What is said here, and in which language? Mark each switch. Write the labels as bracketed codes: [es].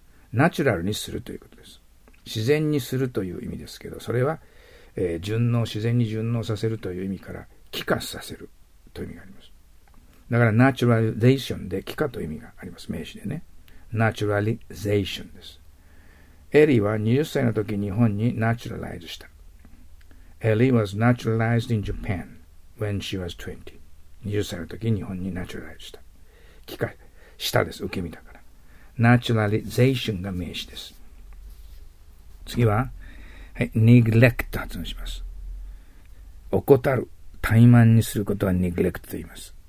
[ja] ナチュラルにするということです。自然にするという意味ですけど、それは、順応、自然に順応させるという意味から気化させるという意味があります。だから naturalization で気化という意味があります。名詞でね、 naturalization です。エリーは20歳の時日本にナチュラライズした。 [en] エリー was naturalized in Japan when she was 20. [ja] 20歳の時日本にナチュラライズした。機械、したです。受け身だから。naturalization が名詞です。次は、はい、neglect 発音します。怠る、怠慢にすることは neglect と言います。